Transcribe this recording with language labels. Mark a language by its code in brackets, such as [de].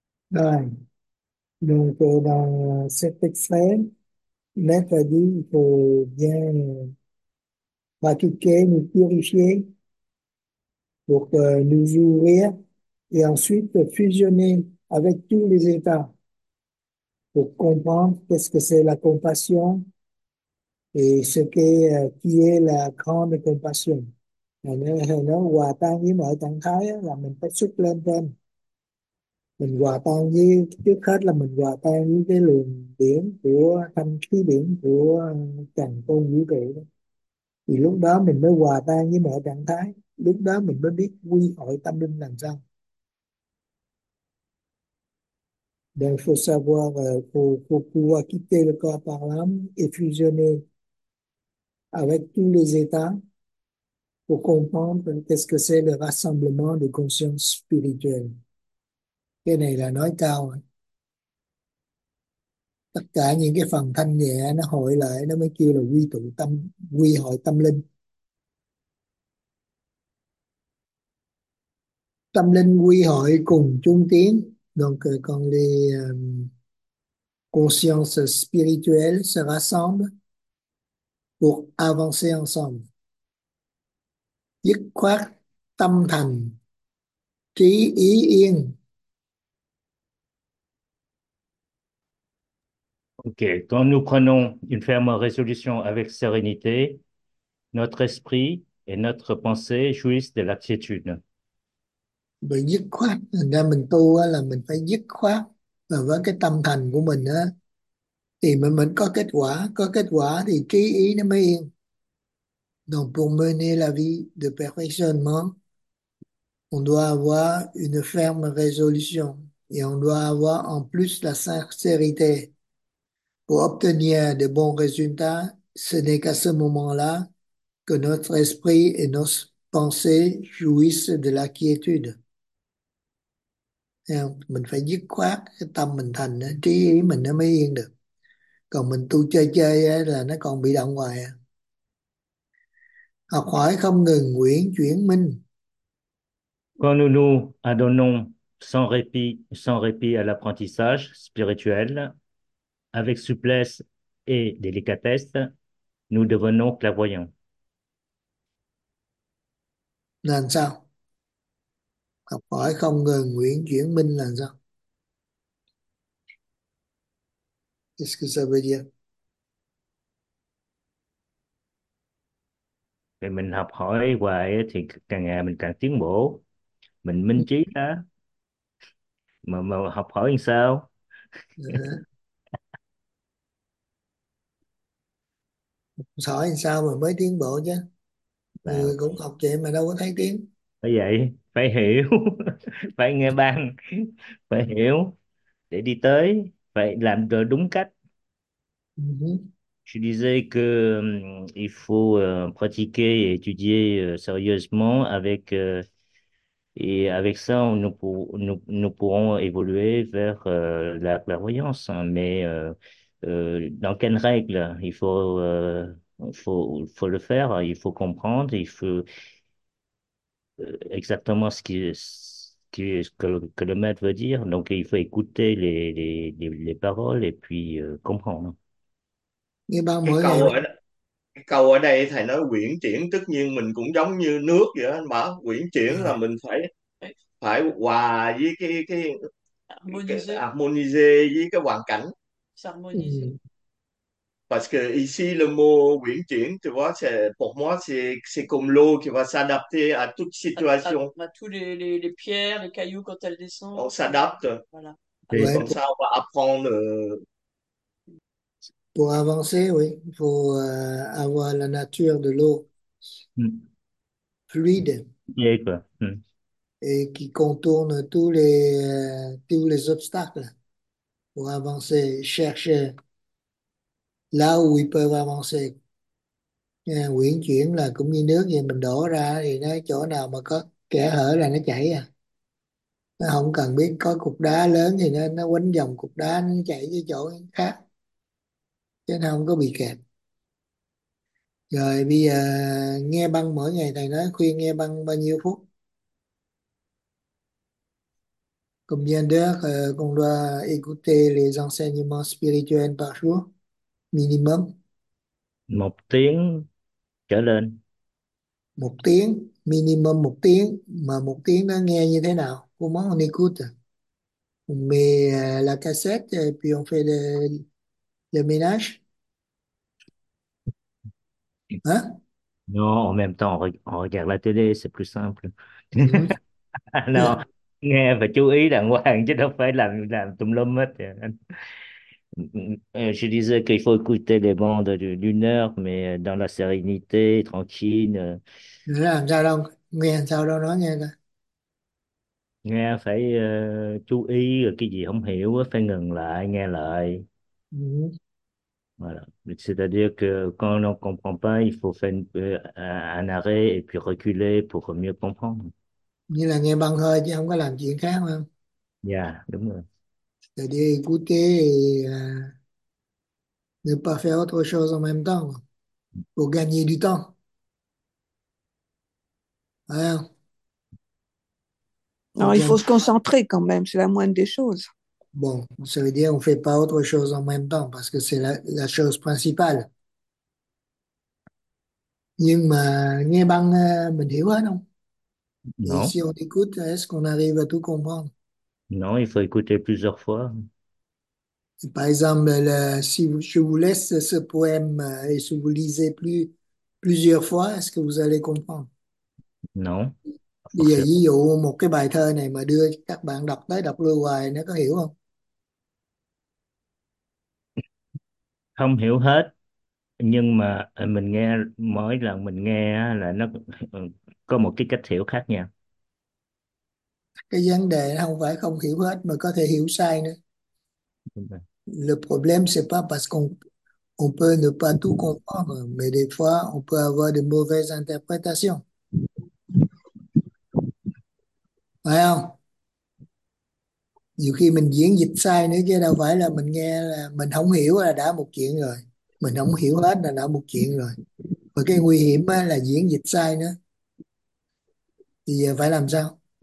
[vi] Đây, đồng tôi đang xếp tích xế, nét là đi phù gian và thiết kế một tiêu ý chế [fr] pour que nous ouvrir et ensuite fusionner avec tous les états pour comprendre qu'est-ce que c'est la compassion et ce qu'est qui est la grande compassion. [vi] Nó hòa tan với mọi trạng thái á, là mình phải xuất lên trên. Mình hòa tan với, trước hết là mình hòa tan với cái luồng điển của thanh khí điển của càn khôn vũ trụ. Thì lúc đó mình mới hòa tan với mọi trạng thái, lúc đó mình mới biết quy hội tâm linh làm sao. [fr] Donc il faut savoir pour pouvoir quitter le corps par l'âme et fusionner avec tous les états pour comprendre qu'est-ce que c'est le rassemblement de conscience spirituelle. [vi] Cái này là nói cao. Tất cả những cái phần thanh nhẹ nó hội lại, nó mới kêu là quy tụ tâm, quy hội tâm linh. Tâm linh quy hội cùng trung tiến. [fr] Donc, quand les consciences spirituelles se rassemblent pour avancer ensemble. [vi] Dứt khoát tâm thành trí ý yên. [fr] Ok, quand nous prenons une ferme résolution avec sérénité, notre esprit et notre pensée jouissent de l'attitude. [vi] Mình dứt khoát, mình tu là mình phải dứt khoát, và với cái tâm thành của mình thì mình có kết quả, có kết quả thì trí ý nó mới yên. [fr] Donc pour mener la vie de perfectionnement, on doit avoir une ferme résolution et on doit avoir en plus la sincérité. Pour obtenir de bons résultats, ce n'est qu'à ce moment-là que notre esprit et nos pensées jouissent de la quiétude. [vi] Mình phải dứt khoát cái tâm mình thành, trí ý mình nó mới yên được. Còn mình tu chơi chơi là nó còn bị động hoài. Học hỏi không ngừng nguyện chuyển minh. [fr] Quand nous nous adonnons sans répit à l'apprentissage spirituel, avec souplesse et délicatesse, nous devenons clairvoyants. [vi] Làm sao? Học hỏi không ngừng nguyện chuyển minh là sao? [fr] Qu'est-ce que ça veut dire? [vi] Để mình học hỏi hoài thì càng ngày mình càng tiến bộ. Mình minh trí á mà học hỏi làm sao Sao sao mà mới tiến bộ chứ? bảo Người cũng học vậy mà đâu có thấy tiếng. vậy phải hiểu phải nghe bằng phải hiểu để đi tới phải làm được đúng cách. [fr] Je disais que il faut pratiquer et étudier sérieusement avec Et avec ça, nous pourrons évoluer vers la clairvoyance. Hein. Mais dans quelles règles il faut, faut le faire, il faut comprendre, il faut exactement ce que le maître veut dire. Donc il faut écouter les paroles et puis comprendre. [vi] Nghe bao Cái mỗi ngày câu ở đó. Câu ở đây thầy nói uyển chuyển, tất nhiên mình cũng giống như nước vậy, anh bảo uyển chuyển là mình phải phải hòa với cái [fr] harmoniser [vi] harmoniser với cái hoàn cảnh, [fr] s'harmoniser parce que ici le mot uyển chuyển tu vois c'est pour moi c'est comme l'eau qui va s'adapter à toute situation, à tous les pierres, les cailloux quand elles descendent, on s'adapte voilà, à et tout. comme ça on va apprendre. Pour avancer, oui, il faut avoir la nature de l'eau fluide et qui contourne tous les obstacles pour avancer, chercher là où ils peuvent avancer. [vi] Uyển chuyển là cũng như nước vậy, mình đổ ra thì nó chỗ nào mà có kẽ hở là nó chảy à. Nó không cần biết có cục đá lớn thì nó quấn vòng cục đá, nó chảy với chỗ khác. Chứ nó không có bị kẹt. Rồi bây giờ nghe băng mỗi ngày, thầy nói khuyên nghe băng bao nhiêu phút? [fr] Combien d'heures qu'on doit écouter les enseignements spirituels par jour? Minimum. [vi] 1 tiếng trở lên. 1 tiếng, minimum 1 tiếng. Mà 1 tiếng nó nghe như thế nào? [fr] Comment on écoute? On met la cassette et puis on fait le ménage. Hein? Non, en même temps, on regarde la télé, c'est plus simple. [vi] Ừ. Non, nghe phải chú ý đàng hoàng chứ đâu phải làm tùm lum hết. [fr] Je disais qu'il faut écouter les bandes d'une heure, mais dans la sérénité, tranquille. [vi] Làm sao đâu, nghe làm sao đâu, nói nghe coi. Nghe phải chú ý rồi cái gì không hiểu phải ngừng lại nghe lại. [fr] Voilà. C'est-à-dire que quand on ne comprend pas, il faut faire un arrêt et puis reculer pour mieux comprendre. [vi] Như là nghe băng hơi chứ không có làm chuyện khác không? Đúng rồi. Để đi [fr] écouter ne pas faire autre chose en même temps pour gagner du temps. [vi] Phải không? Pour [fr] Non, il gagner. faut se concentrer quand même, c'est la moindre des choses. Bon, ça veut dire on ne fait pas autre chose en même temps parce que c'est la chose principale. [vi] Nhưng mà nghe băng mình hiểu hết không? [fr] Et Non. si on écoute, est-ce qu'on arrive à tout comprendre? Non, il faut écouter plusieurs fois. Et par exemple, si je vous laisse ce poème et si vous lisez plusieurs fois, est-ce que vous allez comprendre? Non, pas forcément. [vi] ví dụ một cái bài thơ này mà đưa các bạn đọc tới đọc lui hoài, nó có hiểu không? Không hiểu hết, nhưng mà mình nghe, mỗi lần mình nghe là nó có một cái cách hiểu khác nhau. Cái vấn đề không phải không hiểu hết mà có thể hiểu sai nữa. [fr] Le problème, c'est pas parce qu'on on peut ne pas tout comprendre, mais des fois, on peut avoir de mauvaises interprétations. [vi] Phải không? Nhiều khi mình diễn dịch sai nữa chứ đâu phải là mình nghe là mình không hiểu là đã một chuyện rồi. Mình không hiểu hết là đã một chuyện rồi. Và cái nguy hiểm là diễn dịch sai nữa. Thì giờ phải làm sao?